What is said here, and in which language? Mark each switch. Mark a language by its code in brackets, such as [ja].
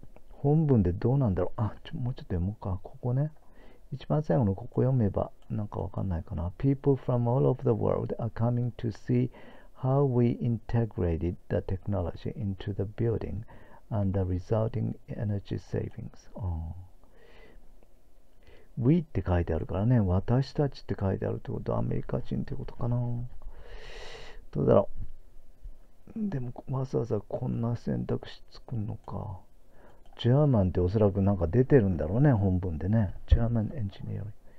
[ja] 本文でどうなんだろう。もうちょっと読もうか。ここね。一番最後のここ読めばなんかわかんないかな。 [en] People from all over the world are coming to see how we integrated the technology into the building and the resulting energy savings。 [ja] We って書いてあるからね。私たちって書いてあるってことはアメリカ人ってことかな。どうだろう。でもわざわざこんな選択肢作るのか。ジャーマンっておそらくなんか出てるんだろうね、本文でね。ジャーマンエンジニアリング。